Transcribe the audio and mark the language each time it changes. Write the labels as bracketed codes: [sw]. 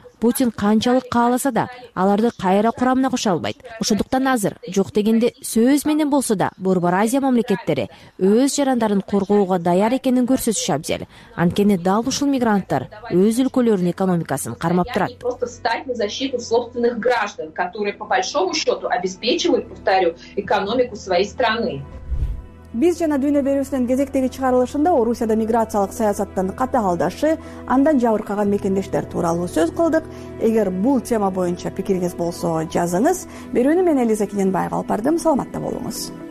[ky] Путин канчалык кааласа да, аларды кайра курамына кошо албайт. Ошондуктан азыр, жок дегенде сөз менен болсо да, Борбор Азия мамлекеттери өз жарандарын коргоого даяр экенин көрсөтүш абзел. Анткени дал ушул мигранттар өз өлкөлөрүнүн экономикасын кармап турат. [ru] Просто стать на защиту собственных граждан, которые по большому счету обеспечивают, повторю, экономику своей страны. [ky] Биз жана дүйнө берүүсүнүн кезектеги чыгарылышында Орусияда миграциялык саясаттын катаалдашы, андан жабыркаган мекендештер тууралуу сөз кылдык. Эгер бул тема боюнча пикириңиз болсо, жазыңыз. Берүүнү мен Элиза Кененбаева алып бардым. Саламатта болуңуз.